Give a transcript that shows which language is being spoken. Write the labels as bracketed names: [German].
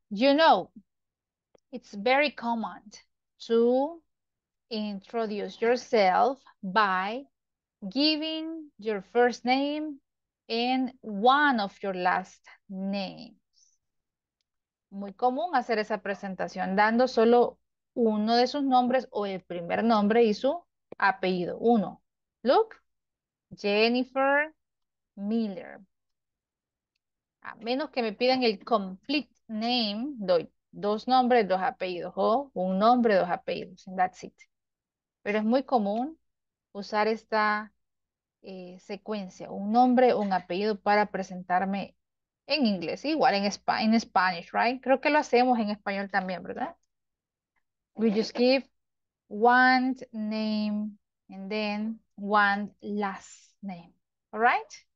[English] You know, it's very common to introduce yourself by giving your first name and one of your last names. [Spanish] Muy común hacer esa presentación dando solo uno de sus nombres o el primer nombre y su apellido. Uno. [English] Look, Jennifer Miller. [Spanish] A menos que me pidan el [English] complete name, [Spanish] doy dos nombres, dos apellidos, o un nombre, dos apellidos, [English] and that's it. [Spanish] Pero es muy común usar esta secuencia, un nombre, un apellido, para presentarme en inglés, igual en [English] Spanish, right? [Spanish] Creo que lo hacemos en español también, ¿verdad? [English] We just give one name and then one last name, all right?